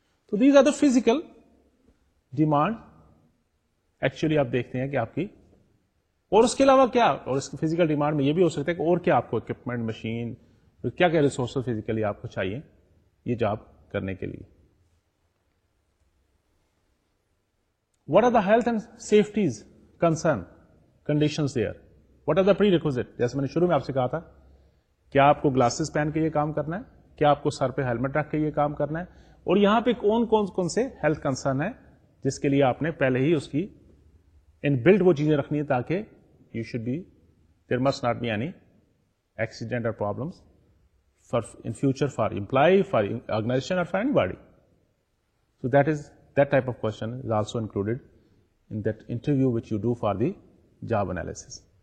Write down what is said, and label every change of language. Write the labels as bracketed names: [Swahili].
[Urdu] تو [English] these are the physical demand [Urdu] actually آپ دیکھتے ہیں کہ آپ کی, اور اس کے علاوہ کیا, اور اس فزیکل ڈیمانڈ میں یہ بھی ہو سکتا ہے کہ اور کیا آپ کو اکوپمنٹ مشین کیا کیا ریسورسز فزیکلی آپ کو چاہیے یہ جاب کرنے کے لیے. [English] What are the health and safety's concern, conditions there? What are the prerequisite? [Urdu] جیسے میں نے شروع میں آپ سے کہا تھا کیا آپ کو گلاسز پہن کے یہ کام کرنا ہے, کیا آپ کو سر پہ ہیلمٹ رکھ کے یہ کام کرنا ہے, اور یہاں پہ کون کون سے ہیلتھ کنسرن ہے جس کے لیے آپ نے پہلے ہی اس کی ان بلڈ وہ چیزیں رکھنی ہے تاکہ [English] You should be there must not be any accident اور problems for in future for employee for organisation اور for any body. So that is that type of question is also included in that interview which you do for the job analysis.